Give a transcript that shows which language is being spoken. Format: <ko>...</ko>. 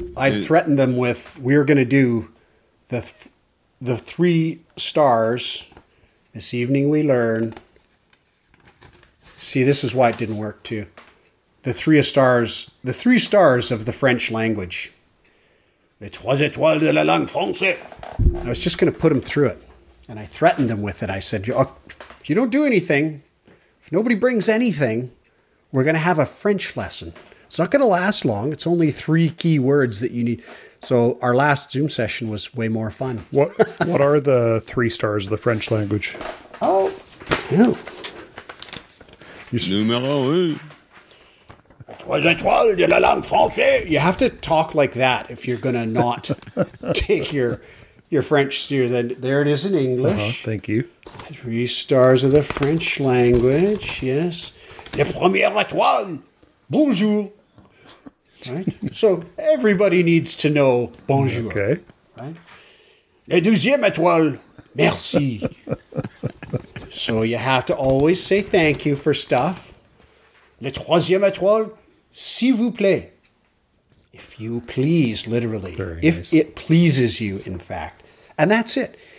<en>I threatened them with, we're going to do the three stars, this evening we learn. See, this is why it didn't work too. The three stars of the French language.</en> <fr>Étoiles de la langue française.</fr> <en>I was just going to put them through it. And I threatened them with it. I said, if you don't do anything, if nobody brings anything, we're going to have a French lesson. It's not going to last long. It's only three key words that you need. So our last Zoom session was way more fun. What are the three stars of the French language? Oh, ew.</en> <fr>Numéro un. Trois étoiles de la langue française.</fr> <en>You have to talk like that if you're going to not take your French seriously. Then there it is in English. Uh-huh, thank you. Three stars of the French language. Yes.</en> <fr>La première étoile. Bonjour.</fr> <en>Right? So everybody needs to know bonjour. Okay. Right?</en> <fr>Le deuxième étoile, merci.</fr> <en>So you have to always say thank you for stuff.</en> <fr>Le troisième étoile, s'il vous plaît.</fr> <en>If you please, literally. It pleases you, in fact. And that's it.</en>